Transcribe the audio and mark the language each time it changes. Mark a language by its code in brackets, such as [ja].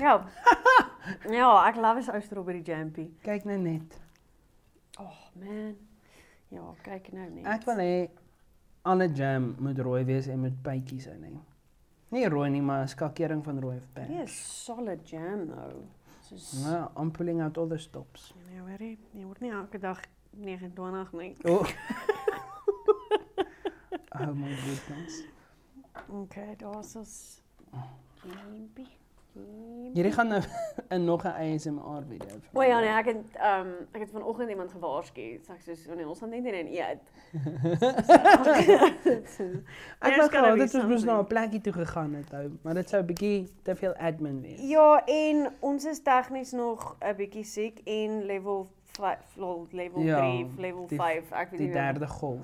[af] Ja. Ja, ek love is ou strawberry jampie. Kyk nou net. Oh man. Ja, kyk nou net. Ek wil hê alle jam moet rooi wees en moet pynkies in hê. Nie rooi nie, maar skakering van rooi of pink. Dit is solid jam though. [en] Ja, I'm pulling out all the stops. [af] Nee, nee, weet jy, jy word nie elke dag 29 nie. Oh. [en] Oh my goodness. [af] Okay, daar's ons. Hierdie gaan in nog 'n ASMR video. O ja, nee, ek het vanoggend iemand gewaarsku. Ek sê so, nee, ons gaan net in en eet. Ek was gaan, dit is mos na 'n plekkie toe gegaan het, ou, maar dit sou 'n bietjie te veel admin wees. Ja, en ons is tegnies nog 'n bietjie siek en level 3, level 5, ek weet nie. Die derde golf.